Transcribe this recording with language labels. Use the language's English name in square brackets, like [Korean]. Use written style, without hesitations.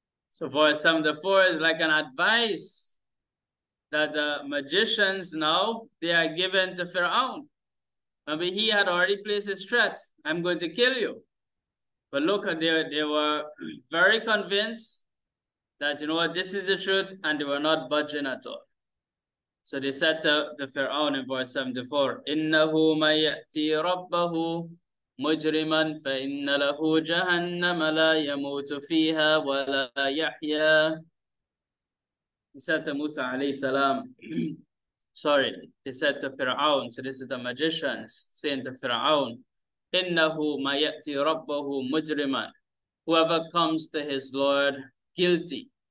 [English] So verse 74 is like an advice that the magicians now, they are given to Fir'aun. Maybe he had already placed his threat. I'm going to kill you. But look, they were very convinced that, you know what, this is the truth, and they were not budging at all. So they said to the Fir'aun in verse 74, [Arabic] إِنَّهُ مَنْ يَأْتِي رَبَّهُ مُجْرِمًا فَإِنَّ لَهُ جَهَنَّمَ لَا يَمُوتُ فِيهَا وَلَا يَحْيَى. [English] He said to Musa alayhi salam, sorry, he said to Fir'aun, so this is the magicians saying to Fir'aun, [Arabic] إِنَّهُ مَنْ يَأْتِي رَبَّهُ مُجْرِمًا, [English] whoever comes to his Lord guilty.